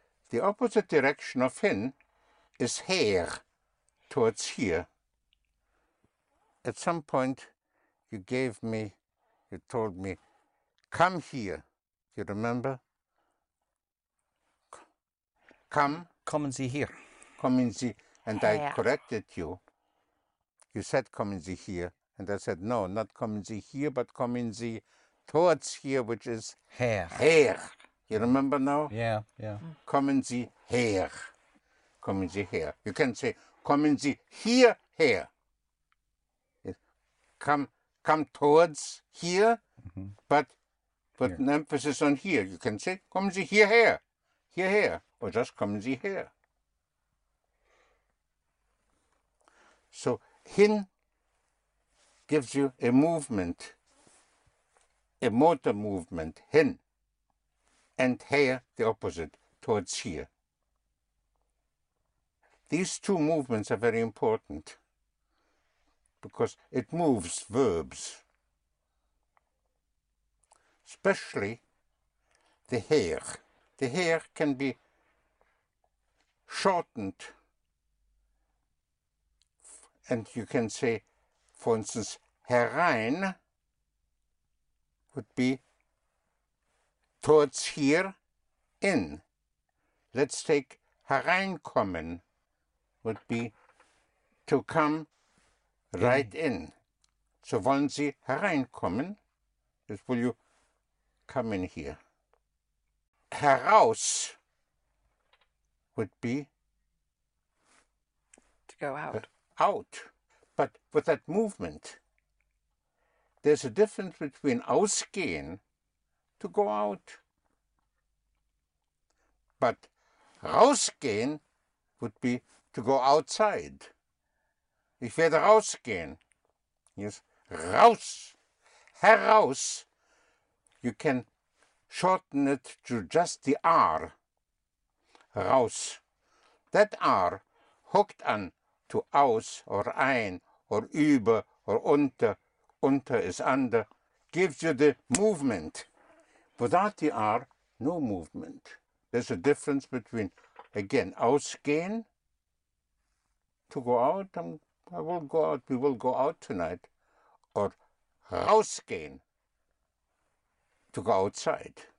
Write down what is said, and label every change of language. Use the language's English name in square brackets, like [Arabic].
[English] The opposite direction of hin is her, towards here. At some point, you told me, come here. Do you remember? Come. [German] Kommen Sie hier. Kommen Sie, [English] and her. I corrected you. You said, [German] kommen Sie hier. [English] And I said, no, not [German] kommen Sie hier, [English] but [German] kommen Sie [English] towards here, which is her. Her. You remember now? Yeah, yeah. [German] Kommen Sie her. Kommen Sie her. [English] You can say, [German] kommen Sie hierher. [English] Come towards here, mm-hmm. but here. An emphasis on here. You can say, [German] kommen Sie hierher, hierher, [English] or just [German] kommen Sie her. [English] So hin gives you a movement, a motor movement, hin, and her, the opposite, towards here. These two movements are very important because it moves verbs. Especially the her. The her can be shortened and you can say, for instance, herein would be towards here, in. Let's take hereinkommen. Would be to come right in. [German] So wollen Sie hereinkommen? [English] Yes, will you come in here? Heraus would be to go out. Out, but with that movement. There's a difference between ausgehen, to go out. But rausgehen would be to go outside. [German] Ich werde rausgehen. [English] Yes, [German] raus. Heraus. [English] You can shorten it to just the R. Raus. That R hooked on to aus or ein or über or unter. Unter is under. gives you the movement. Without the R, no movement. There's a difference between, again, ausgehen, to go out, and I will go out, we will go out tonight, or rausgehen, to go outside.